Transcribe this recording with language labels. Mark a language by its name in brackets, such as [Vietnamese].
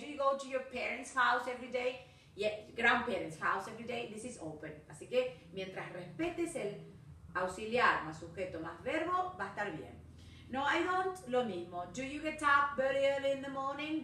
[English] Do you go to your parents' house every day? Yeah, grandparents' house every day. This is open. [Spanish] Así que mientras respetes el auxiliar más sujeto más verbo, va a estar bien. [English] No, I don't. [Spanish] Lo mismo. [English] Do you get up very early in the morning?